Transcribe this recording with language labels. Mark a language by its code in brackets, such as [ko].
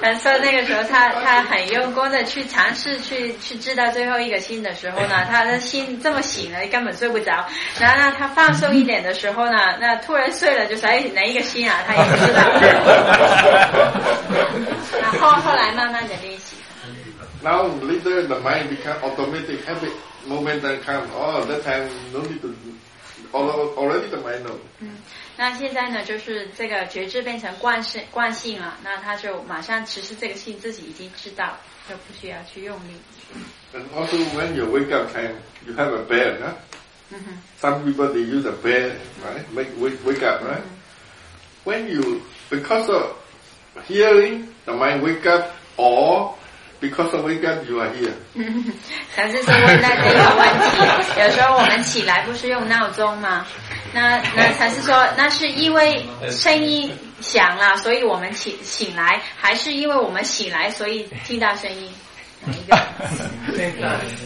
[zh] 然后那个时候他很用功的去尝试去治到最后一个心的时候呢，他的心这么醒了根本睡不着，然后呢他放松一点的时候呢，那突然睡了就说，哎，哪一个心啊，他也不知道。然后后来慢慢的练习。 [en] Now later the mind become automatic habit, moment that comes, oh, that time no need to do, already the mind knows. [zh] 那现在呢，就是这个觉知变成惯性了，那他就马上持续这个性自己已经知道，就不需要去用力。 [en] And also when you wake up time, you have a bell, huh? Some people they use a bell, right? Wake up, right? When you, because of hearing, the mind wake up, or because of wake up, you are here. [zh] 但是说问到这个问题，有时候我们起来不是用闹钟吗？那才是说，那是因为声音响了，所以我们醒来，还是因为我们醒来，所以听到声音？哪一个？